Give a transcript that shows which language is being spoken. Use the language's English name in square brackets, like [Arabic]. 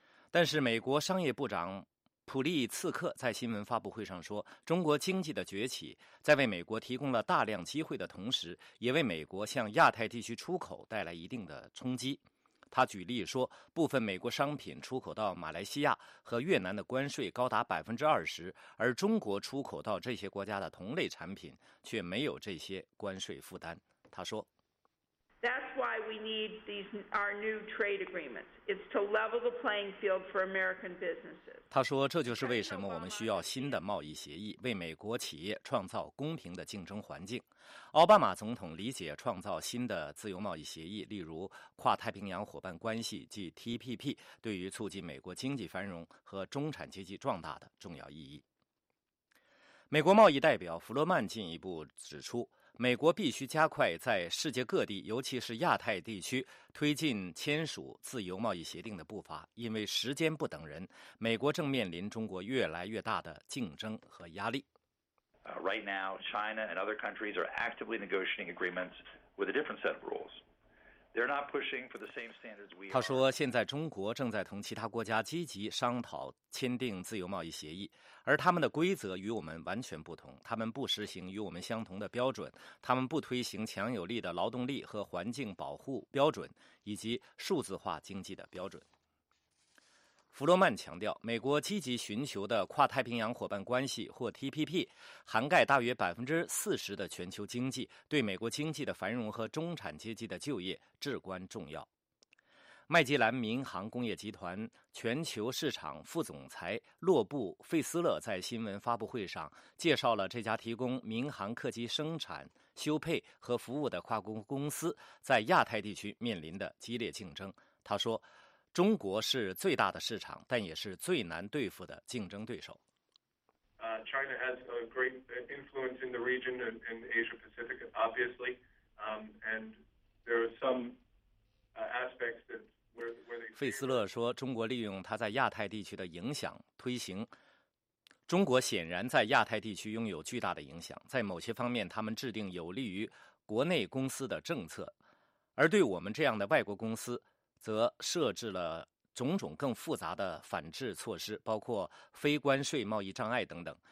[Chinese] 但是，美国商业部长普利茨克在新闻发布会上说，中国经济的崛起在为美国提供了大量机会的同时，也为美国向亚太地区出口带来一定的冲击。他举例说，部分美国商品出口到马来西亚和越南的关税高达20%，而中国出口到这些国家的同类产品却没有这些关税负担。他说 [English] That's why we need these, our new trade agreements. It's to level the playing field for American businesses. [Chinese] 他说这就是为什么我们需要新的贸易协议，为美国企业创造公平的竞争环境。奥巴马总统理解创造新的自由贸易协议，例如跨太平洋伙伴关系即 TPP, 对于促进美国经济繁荣和中产阶级壮大的重要意义。美国贸易代表弗罗曼进一步指出，美国必须加快在世界各地，尤其是亚太地区推进签署自由贸易协定的步伐，因为时间不等人，美国正面临中国越来越大的竞争和压力。 [English] Right now, China and other countries are actively negotiating agreements with a different set of rules. They're not pushing for the same standards we are. [Chinese] 他说，现在中国正在同其他国家积极商讨签订自由贸易协议，而他们的规则与我们完全不同。他们不实行与我们相同的标准，他们不推行强有力的劳动力和环境保护标准，以及数字化经济的标准。弗罗曼强调，美国积极寻求的跨太平洋伙伴关系或 TPP 涵盖大约40%的全球经济，对美国经济的繁荣和中产阶级的就业至关重要。麦吉兰民航工业集团全球市场副总裁洛布·费斯勒在新闻发布会上介绍了这家提供民航客机生产、修配和服务的跨国公司在亚太地区面临的激烈竞争。他说，中国是最大的市场，但也是最难对付的竞争对手。 [English] China has a great influence in the region and in Asia Pacific, obviously, and there are some aspects that where they. [Chinese] 费斯勒说，中国利用他在亚太地区的影响推行。中国显然在亚太地区拥有巨大的影响，在某些方面，他们制定有利于国内公司的政策，而对我们这样的外国公司，则设置了种种更复杂的反制措施，包括非关税贸易障碍等等。